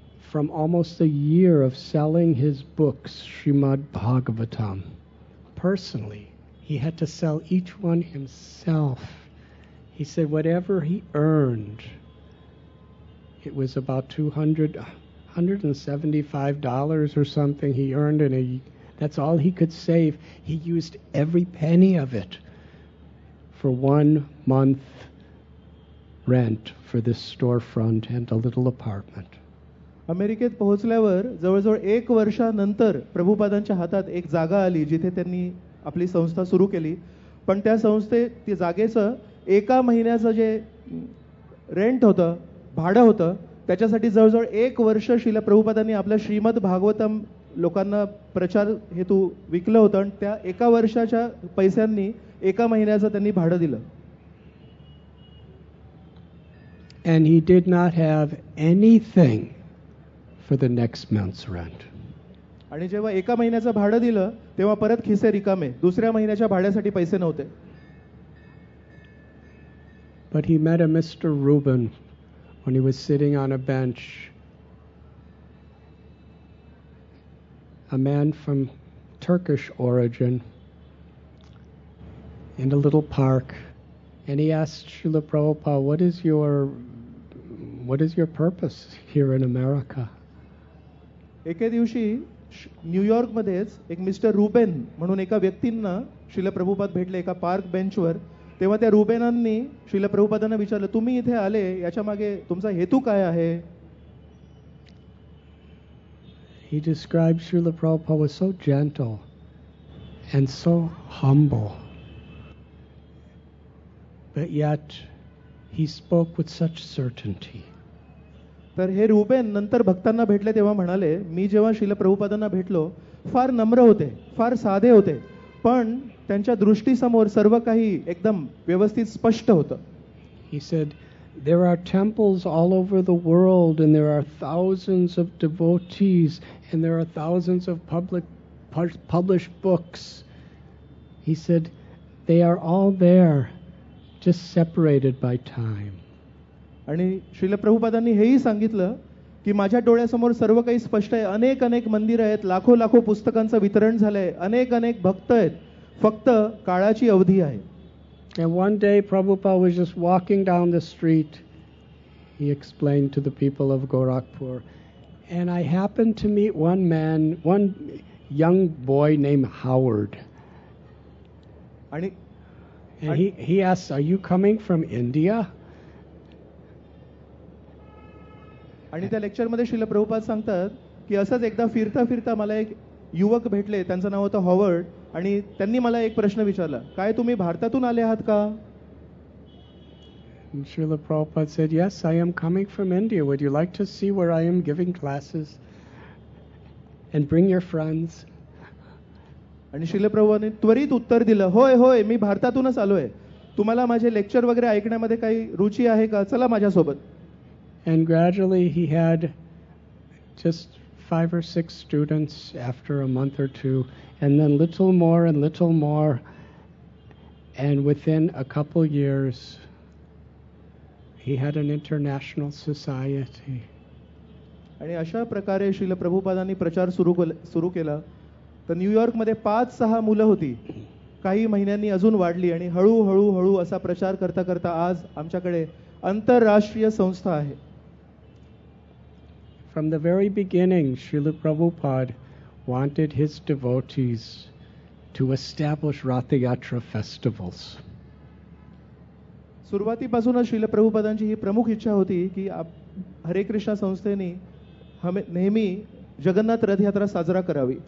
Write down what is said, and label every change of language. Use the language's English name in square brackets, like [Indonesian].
[English] from almost a year of selling his books Srimad Bhagavatam personally he had to sell each one himself he said whatever he earned it was about $275 or something he earned in a that's all he could save he used every penny of it for 1 month rent for this storefront and a little apartment. [Marathi] अमेरिकेत पोहोचल्यावर जवळजवळ एक वर्षानंतर प्रभुपादांच्या हातात एक जागा आली जिथे त्यांनी आपली संस्था सुरू केली, पण त्या संस्थे ती जागेचं एका महिन्याचं जे रेंट होतं, भाडं होतं, त्याच्यासाठी जवळजवळ एक वर्ष शिला प्रभुपादांनी आपलं श्रीमद भागवतम लोकांना प्रचार हेतू विकलं होतं, आणि त्या एका वर्षाच्या पैशांनी एका महिन्याचं त्यांनी भाडं दिलं. [English] And he did not have anything for the next month's rent. [Marathi] आणि जेव्हा एका महिन्याचं भाडं दिलं तेव्हा परत खिसे रिकामे, दुसऱ्या महिन्याच्या भाड्यासाठी पैसे नव्हते. [English] But he met a Mr. Rubin when he was sitting on a bench. A man from Turkish origin in a little park. And he asked Srila Prabhupada, what is your purpose here in America? [Marathi] एके दिवशी न्यूयॉर्कमध्येच एक mister Reuben म्हणून एका व्यक्तींना श्रील प्रभुपाद भेटले एका park बेंचवर. तेव्हा त्या रुबेनांनी श्रील प्रभुपादांना विचारलं, तुम्ही इथे आले याच्या मागे तुमचा हेतू काय आहे? [English] He described Srila Prabhupada was so gentle and so humble. But yet he spoke with such certainty. [Marathi] तर हे रुबेन नंतर भक्तांना भेटले तेव्हा म्हणाले, मी जेव्हा श्रील प्रभुपादांना भेटलो फार नम्र होते, फार साधे होते, पण त्यांच्या दृष्टीसमोर सर्व काही एकदम व्यवस्थित स्पष्ट होतं. [English] He said, there are temples all over the world and there are thousands of devotees and there are thousands of published books. He said, they are all there, just separated by time. [Marathi] आणि श्रील प्रभुपादांनी हेही सांगितलं की माझ्या डोळ्यासमोर सर्व काही स्पष्ट आहे, अनेक अनेक मंदिर आहेत, लाखो लाखो पुस्तकांचं वितरण झालंय, अनेक अनेक भक्त आहेत, फक्त काळाची अवधी आहे. [English] And one day Prabhupada was just walking down the street. He explained to the people of Gorakhpur, and I happened to meet one man, one young boy named Howard. And he asked, are you coming from India? [Marathi] आणि त्या लेक्चरमध्ये श्रील प्रभुपाद सांगतात की असंच एकदा फिरता फिरता मला एक युवक भेटले, त्यांचं नाव होतं हॉवर्ड, आणि त्यांनी मला एक प्रश्न विचारला, काय तुम्ही भारतातून आले आहात का? [English] Shrila Prabhupada said, yes, I am coming from India, would you like to see where I am giving classes and bring your friends. [Marathi] आणि श्रील प्रभुपादने त्वरित उत्तर दिलं, होय होय, मी भारतातूनच आलोय, तुम्हाला माझे लेक्चर वगैरे ऐकण्यामध्ये काही रुची आहे का? चला माझ्यासोबत. [English] And gradually he had just 5 or 6 students after a month or two, and then little more and little more, and within a couple years he had an international society. [Marathi] आणि अशा प्रकारे श्रील प्रभुपादांनी प्रचार सुरू केला. तर न्यूयॉर्क मध्ये 5-6 मुले होती, काही महिन्यांनी अजून वाढली, आणि हळू हळू हळू असा प्रचार करता करता आज आमच्याकडे आंतरराष्ट्रीय संस्था आहे. [English] From the very beginning, Srila Prabhupada wanted his devotees to establish Rath Yatra festivals. [Marathi] सुरुवातीपासून श्रील प्रभुपादांची ही प्रमुख इच्छा होती की हरे कृष्ण संस्थेने नेहमी जगन्नाथ रथयात्रा साजरा करावी.